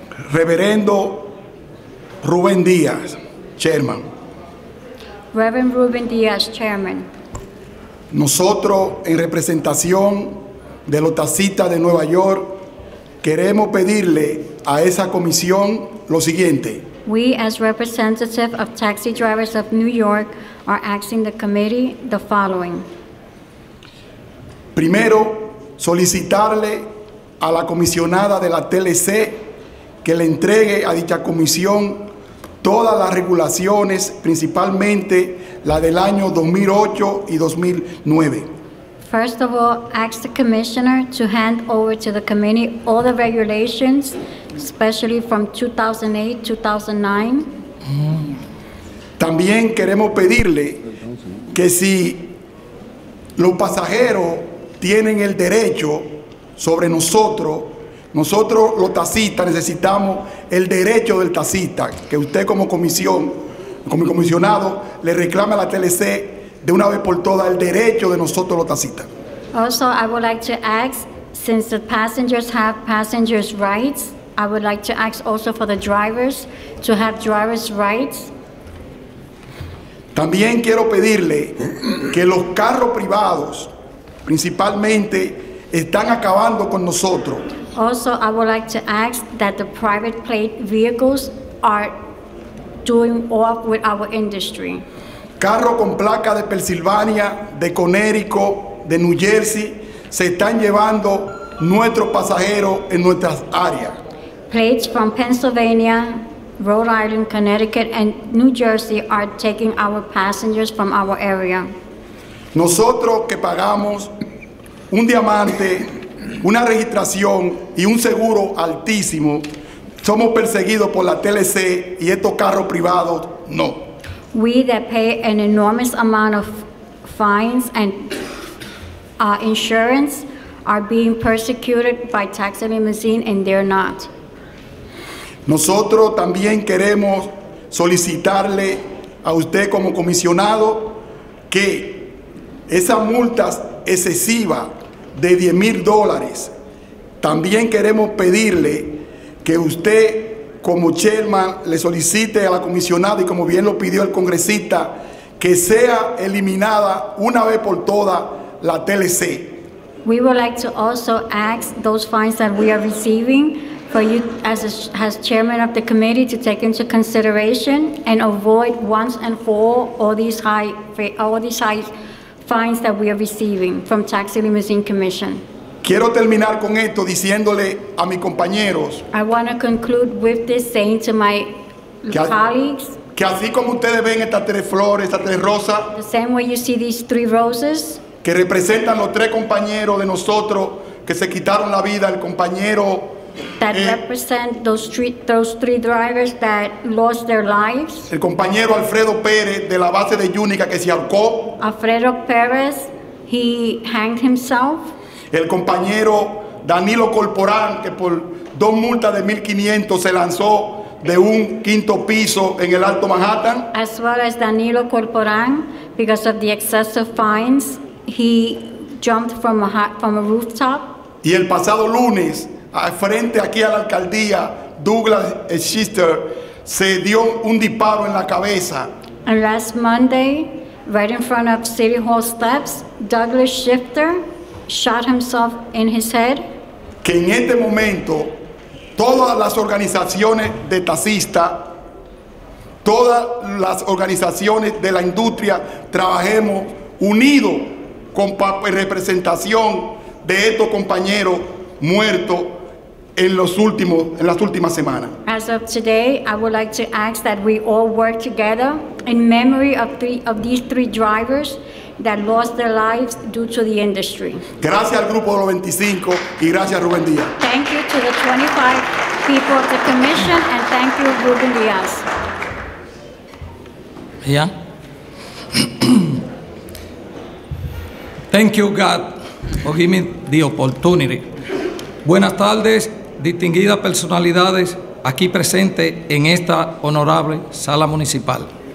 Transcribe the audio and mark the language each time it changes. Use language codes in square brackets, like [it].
[es] Reverendo Rubén Díaz, Chairman. [en] Reverend Rubén Díaz, Chairman. [es] Nosotros, en representación de los taxistas de Nueva York, queremos pedirle a esa comisión lo siguiente. [en] We, as representative of taxi drivers of New York, are asking the committee the following. [es] Primero, solicitarle a la comisionada de la TLC que le entregue a dicha comisión todas las regulaciones, principalmente la del año 2008 y 2009. [en] First of all, ask the commissioner to hand over to the committee all the regulations, especially from 2008-2009. [es] También queremos pedirle que si los pasajeros tienen el derecho sobre nosotros, nosotros, los taxistas, necesitamos el derecho del taxista, que usted como comisión, como comisionado, le reclame a la TLC de una vez por todas el derecho de nosotros, los taxistas. [en] Also, I would like to ask, since the passengers have passengers' rights, I would like to ask also for the drivers to have drivers' rights. [es] También quiero pedirle que los carros privados, principalmente, están acabando con nosotros. [en] Also, I would like to ask that the private plate vehicles are doing off with our industry. [es] Carro con placa de Pennsylvania, de Connecticut, de New Jersey, se están llevando nuestros pasajeros en nuestras áreas. [en] Plates from Pennsylvania, Rhode Island, Connecticut, and New Jersey are taking our passengers from our area. [es] Nosotros que pagamos un diamante, una registración y un seguro altísimo, somos perseguidos por la TLC y estos carros privados no. [en] We that pay an enormous amount of fines and insurance are being persecuted by taxi limousine and they're not. [es] Nosotros también queremos solicitarle a usted como comisionado que esa multa excesiva de $10,000, también queremos pedirle que usted como chairman le solicite a la comisionada y como bien lo pidió el congresista, que sea eliminada una vez por todas la TLC. [en] We would like to also ask those fines that we are receiving for you as chairman of the committee to take into consideration and avoid once and for all these high fines that we are receiving from Taxi Limousine Commission. [es] Quiero terminar con esto diciéndole a mis compañeros. [en] I want to conclude with this saying to my colleagues. [es] Que así como ustedes ven estas tres flores, estas tres rosas. [en] The same way you see these three roses. [es] Que representan los tres compañeros de nosotros que se quitaron la vida, el compañero. [en] That represent those three drivers that lost their lives. [es] El compañero Alfredo Pérez de la base de Yunica que se ahorcó. [en] Alfredo Pérez, he hanged himself. [es] El compañero Danilo Corporán que por dos multas de 1,500 se lanzó de un quinto piso en el Alto Manhattan. [en] As well as Danilo Corporán, because of the excessive fines, he jumped from a rooftop. [es] Y el pasado lunes, frente aquí a la alcaldía, Douglas Schister se dio un disparo en la cabeza. [en] And last Monday, right in front of City Hall steps, Douglas Schister shot himself in his head. [es] Que en este momento, todas las organizaciones de taxistas, todas las organizaciones de la industria, trabajemos unidos con representación de estos compañeros muertos en las últimas semanas. [en] As of today, I would like to ask that we all work together in memory of these three drivers that lost their lives due to the industry. [es] Gracias al grupo de los 25 y gracias Rubén Díaz. [en] Thank you to the 25 people of the commission and thank you Rubén Díaz. Yeah. Thank you God for giving me the opportunity. [es] Buenas tardes, distinguidas personalidades aquí presentes en esta honorable sala municipal.